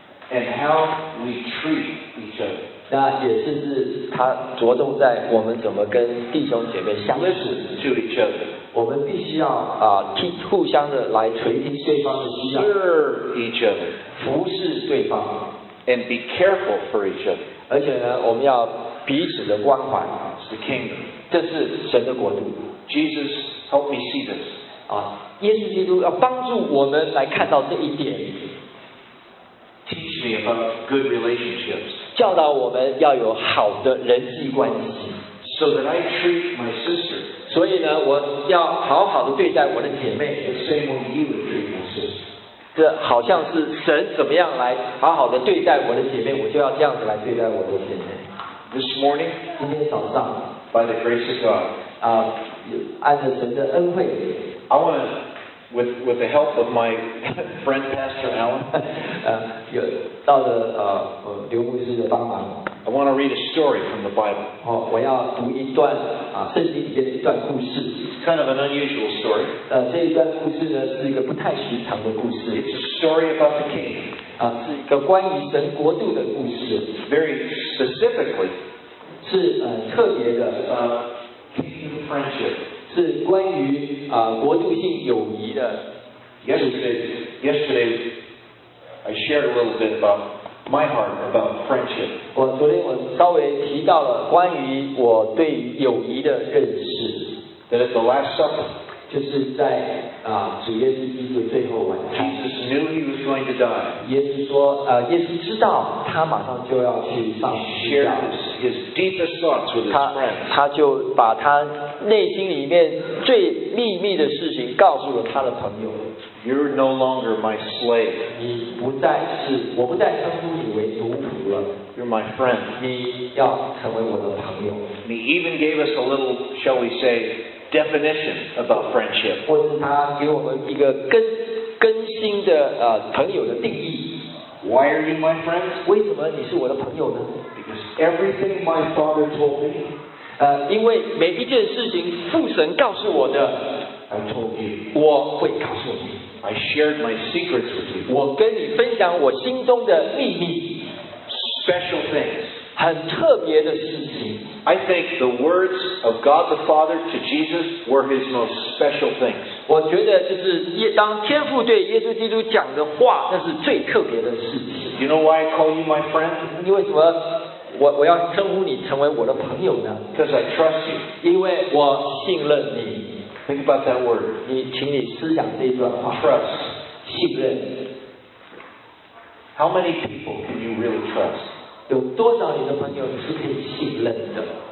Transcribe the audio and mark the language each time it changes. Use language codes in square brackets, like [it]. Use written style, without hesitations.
[en] And how we treat each other. [zh] 那也甚至他着重在我们怎么跟弟兄姐妹相处。 [en] To each other. [zh] 我们必须要听互相的来垂听对方的需要。 [en] Serve each other. [zh] 服侍对方。 [en] And be careful for each other. [zh] 而且呢，我们要彼此的关怀。 [en] It's the kingdom. [zh] 这是神的国度。 [en] Jesus, help me see this. [zh] 耶稣基督要帮助我们来看到这一点。 [en] Teach me about good relationships. [zh] 教导我们要有好的人际关系。 [en] So that I treat my sister. [zh] 所以呢，我要好好的对待我的姐妹。 [en] The same way you would treat my sister. [zh] 这好像是神怎么样来好好的对待我的姐妹，我就要这样子来对待我的姐妹。 [en] This morning. [zh] 今天早上。 [en] By the grace of God. [zh] 按着神的恩惠。 [en] I want to. With the help of my friend Pastor Alan, [zh] 有到的刘牧师的帮忙。 [en] I want to read a story from the Bible. [zh] 我要读一段圣经里面的一段故事。 [en] It's kind of an unusual story. [zh] 这一段故事呢是一个不太寻常的故事。 [en] It's a story about the king. [zh] 是一个关于神国度的故事。 [en] Very specifically, [zh] 是特别的 [en] kingdom friendship. [zh] 是关于国度性友谊的。 [en] Yesterday I shared a little bit about my heart about friendship. [zh] 我昨天我稍微提到了关于我对于友谊的认识。 [en] That at the Last Supper, [zh] 就是在主耶稣基督最后晚餐。 [en] Jesus knew he was going to die. [zh] 耶稣说耶稣知道他马上就要去上十字架。 [en] Shared his deepest thoughts with his friends. [zh] 他就把他内心里面最秘密的事情告诉了他的朋友。 [en] You're no longer my slave. [zh] 你不再是，我不再称呼你为奴仆了。 [en] You're my friend. [zh] 你要成为我的朋友。 [en] He even gave us a little, shall we say, definition about friendship. [zh] 或是他给我们一个更新的朋友的定义。 [en] Why are you my friend? [zh] 为什么你是我的朋友呢？ [en] Because everything my father told me. [zh] 因为每一件事情父神告诉我的。 [en] I told you. [zh] 我会告诉你。 [en] I shared my secrets with you. [zh] 我跟你分享我心中的秘密。 [en] Special things. [zh] 很特别的事情。 [en] I think the words of God the Father to Jesus were his most special things. [zh] 我觉得就是当天父对耶稣基督讲的话，那是最特别的事情。 [en] You know why I call you my friend? [zh] 你为什么我要称呼你成为我的朋友呢？ [en] Because I trust you. [zh] 因为我信任你。 [en] Think about that word. [zh] 你请你思想这一段话。 [en] Trust. [zh] 信任。 [en] How many people can you really trust? [zh] 有多少你的朋友你是可以信任的？